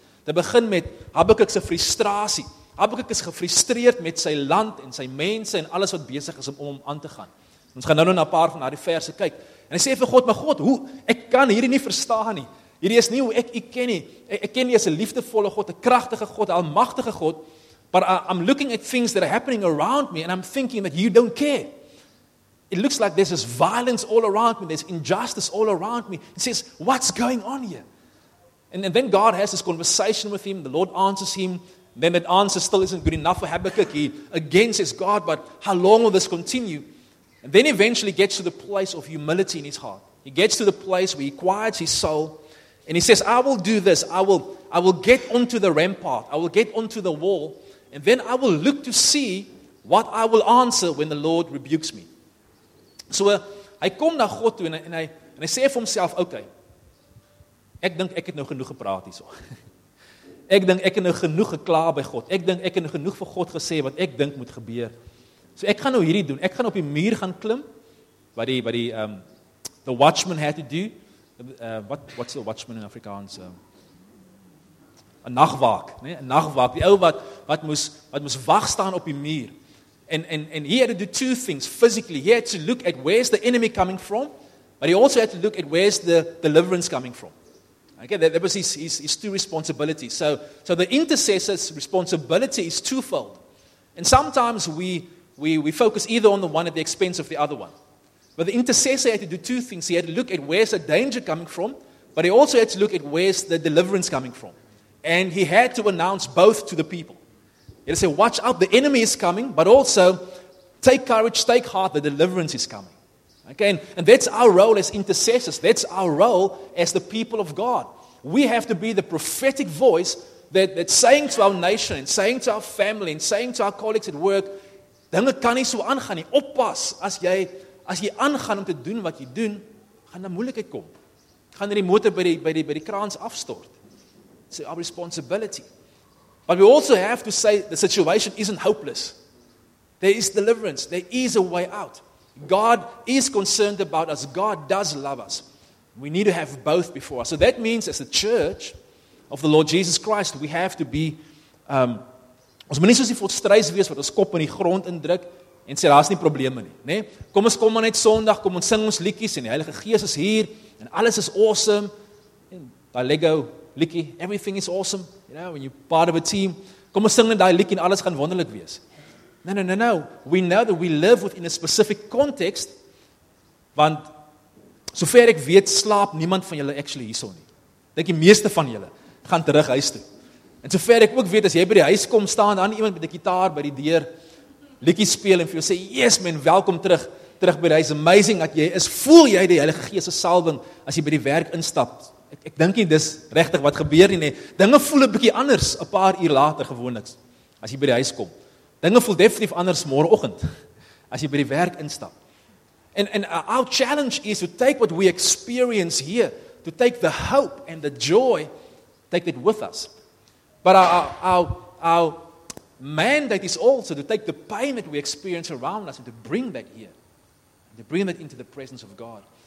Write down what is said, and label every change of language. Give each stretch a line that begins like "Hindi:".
Afrikaans: Dit begin met Habakkuk se frustrasie. Habakkuk is gefrustreerd met sy land en sy mense en alles wat besig is om hom aan te gaan. Ons gaan nou na 'n paar van daardie verse kyk. En hy sê vir God, "Maar God, hoe? Ek kan hierdie nie verstaan nie. Hierdie is nie hoe ek U ken nie. Ek ken U as 'n liefdevolle God, 'n kragtige God, 'n almagtige God.
English: But I'm looking at things that are happening around me and I'm thinking that You don't care. It looks like there's this violence all around me. There's injustice all around me." He says, "What's going on here?" And then God has this conversation with him. The Lord answers him. Then that answer still isn't good enough for Habakkuk. He again says, "God, but how long will this continue?" And then eventually gets to the place of humility in his heart. He gets to the place where he quiets his soul. And he says, "I will do this. I will get onto the rampart. I will get onto the wall. And then I will look to see what I will answer when the Lord rebukes me."
Afrikaans: So, hy kom na God toe en hy sê vir homself, "Okay, ek dink ek het nou genoeg gepraat hierso. Ek dink ek het nou genoeg gekla by God. Ek dink ek het nou genoeg vir God gesê wat ek dink moet gebeur. So ek gaan nou hierdie doen. Ek gaan op die muur gaan klim wat die
English: the watchman had to do. What's the watchman in Afrikaans?
Afrikaans: 'N nagwaak, né? 'N nagwaak. Die ou wat moes wag staan op die muur.
English: And he had to do two things physically. He had to look at where's the enemy coming from, but he also had to look at where's the deliverance coming from. Okay, that was his two responsibilities. So the intercessor's responsibility is twofold. And sometimes we focus either on the one at the expense of the other one. But the intercessor had to do two things. He had to look at where's the danger coming from, but he also had to look at where's the deliverance coming from. And he had to announce both to the people. He had to say, "Watch out, the enemy is coming, but also take courage, take heart, the deliverance is coming." Okay, and that's our role as intercessors. That's our role as the people of God. We have to be the prophetic voice that's saying to our nation and saying to our family and saying to our colleagues at work,
Afrikaans: "Dinge kan nie so aangaan nie. Oppas, as jy aangaan om te doen wat jy doen, gaan 'n moeilikheid kom. Gaan die motor by die kraans afstort.
English: It's our responsibility. But we also have to say the situation isn't hopeless. There is deliverance. There is a way out. God is concerned about us. God does love us. We need to have both before us. So that means as a church of the Lord Jesus Christ, we have to be
Afrikaans: ons moet nie soos die volstreis wees wat ons kop in die grond indruk en sê daar's nie probleme nie, né? Kom ons kom maar net Sondag, kom ons sing ons liedjies en die Heilige Gees is hier en alles is awesome. En daai Lego liedjie,
English: everything is awesome, you know, when you're part of a team.
Afrikaans: Kom ons sing net daai liedjie en alles gaan wonderlik wees.
English: No. We know that we live within a specific context,
Afrikaans: want sover ek weet, slaap niemand van julle actually hierso nie. Dink die meeste van julle gaan terug huis toe. En sover ek ook weet, as jy by die huis kom, staan dan iemand met 'n gitaar by die deur, liedjie speel en vir jou sê,
English: "Yes man,
Afrikaans: welkom terug by die huis. Amazing dat jy is. Voel jy die Heilige Gees se salwing as jy by die werk instap?" Ek dink nie dis regtig wat gebeur nie. Dinge voel 'n bietjie anders 'n paar uur later gewoonlik as jy by die huis kom. Dinge voel definitief anders môreoggend as jy by die werk instap.
English: And our challenge is to take what we experience here, to take the hope and the joy, take it with us. But our mandate is also to take the pain that we experience around us and to bring that here, and to bring that into the presence of God.